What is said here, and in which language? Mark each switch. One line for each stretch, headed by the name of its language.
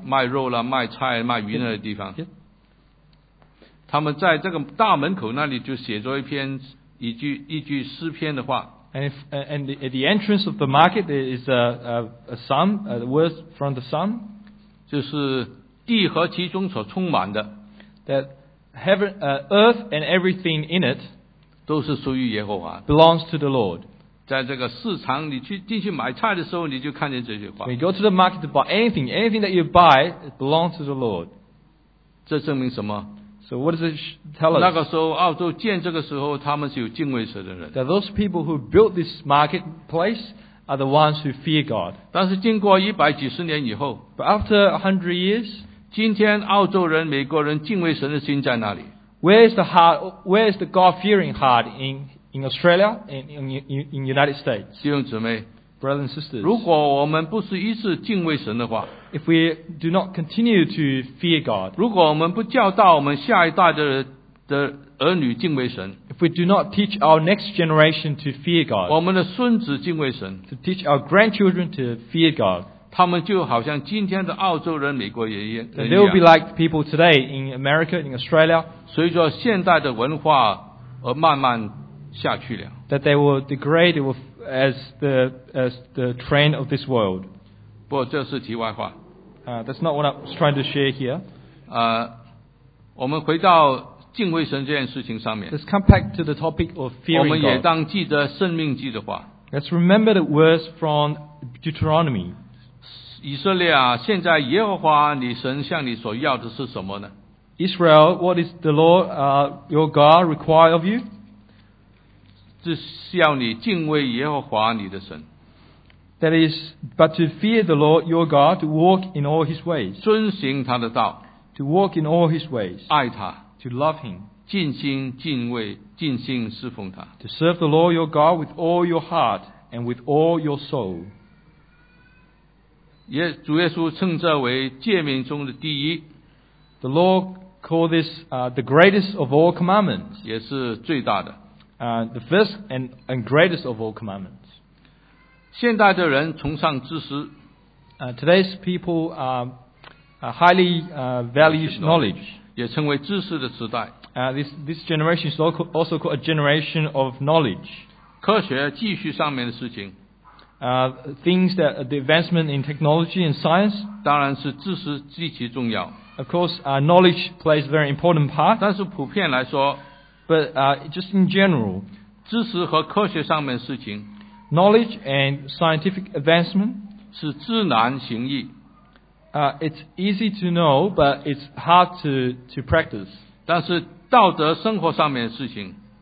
Chinese: 卖肉啦卖菜卖鱼那个地方 他们在这个大门口那里就写着一句诗篇的话
English: And at the entrance of the market there is a psalm the words from the psalm
Chinese: 就是地和其中所充满的
English: That heaven, earth and everything in it
Chinese: 都是属于耶和华
English: belongs to the Lord
Chinese: 在这个市场你去进去买菜的时候你就看见这句话
English: When you go to the market to buy anything that you buy it belongs to the Lord
Chinese: 这证明什么
English: So what does it tell us?
Chinese: 那个时候澳洲建这个时候他们是有敬畏神的人。
English: That those people who built this marketplace are the ones who fear God.
Chinese: 但是经过一百几十年以后
English: But after 100 years,
Chinese: 今天澳洲人美国人敬畏神的心在哪里
English: Where is the God-fearing heart in Australia and in United States?
Chinese: 弟兄姊妹
English: Brothers and sisters,
Chinese: 如果我们不是一直敬畏神的话
English: If we do not continue to fear God,
Chinese: 如果我们不教导我们下一代的儿女敬畏神
English: if we do not teach our next generation to fear God,
Chinese: 我们的孙子敬畏神
English: to teach our grandchildren to fear God,
Chinese: 他们就好像今天的澳洲人、美国人一样
English: They will be like people today in America, in Australia,
Chinese: 随着现代的文化而慢慢下去了
English: that they will degrade as the trend of this world.
Chinese: 不，这是题外话。
English: That's not what I'm trying to share here.
Chinese: 我们回到敬畏神这件事情上面。
English: Let's come back to the topic of fearing God.
Chinese: 我们也当记得生命记的话。
English: Let's remember the words from Deuteronomy.
Chinese: 以色列啊，现在耶和华你神向你所要的是什么呢
English: ？Israel, what is the Lord, your God, require of you?
Chinese: 这是要你敬畏耶和华你的神。
English: That is, but to fear the Lord your God, to walk in all his ways.
Chinese: 遵行他的道,
English: to walk in all his ways.
Chinese: 爱他,
English: to love him.
Chinese: 尽心敬畏，尽心侍奉他。
English: To serve the Lord your God with all your heart and with all your soul.
Chinese: 也主耶稣称这为诫命中的第一。
English: The Lord called this the greatest of all commandments.
Chinese: 也是最大的。
English: The first and greatest of all commandments.
Chinese: 现代的人崇尚知识。
English: Today's people highly values knowledge.
Chinese: 也称为知识的时代。
English: This generation is also called a generation of knowledge.
Chinese: 科学继续上面的事情。
English: Things that the advancement in technology and science.
Chinese: 当然是知识极其重要。
English: Of course, knowledge plays a very important part.
Chinese: 但是普遍来说。
English: But just in general.
Chinese: 知识和科学上面的事情。
English: Knowledge and scientific advancement.
Chinese: 是知难行易。
English: It's easy to know, but it's hard to practice.
Chinese: 但是道德生活上面的事情。